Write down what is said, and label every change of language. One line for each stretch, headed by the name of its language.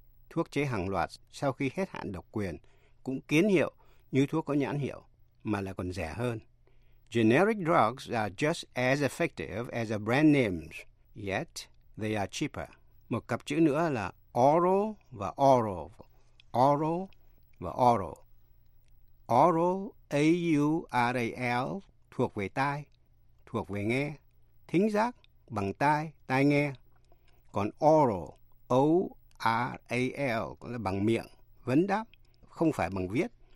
Vietnamese: Thuốc chế hàng loạt sau khi hết hạn độc quyền cũng kiến hiệu như thuốc có nhãn hiệu, mà lại còn rẻ hơn.
English: Generic drugs are just as effective as a brand names, yet they are cheaper.
Vietnamese: Một cặp chữ nữa là oral và oral. Oral và oral. Oral, A-U-R-A-L, thuộc về tai, thuộc về nghe. Thính giác bằng tai, tai nghe. Còn oral, O-R-A-L, là bằng miệng, vấn đáp, không phải bằng viết.